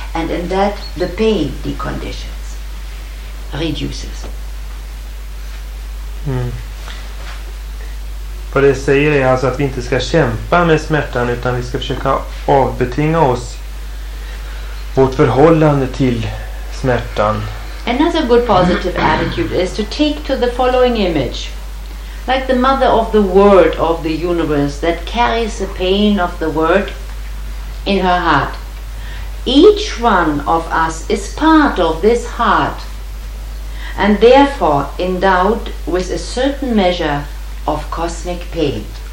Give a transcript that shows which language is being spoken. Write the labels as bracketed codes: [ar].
[en] And in that, the pain deconditions, reduces. [sv] Vad det säger är alltså att vi inte ska kämpa med smärtan, utan vi ska försöka avbetinga oss vårt förhållande till smärtan. [en] Another good positive attitude is to take to the following image, like the mother of the world, of the universe, that carries the pain of the world in her heart. Each one of us is part of this heart, and therefore endowed with a certain measure of cosmic pain.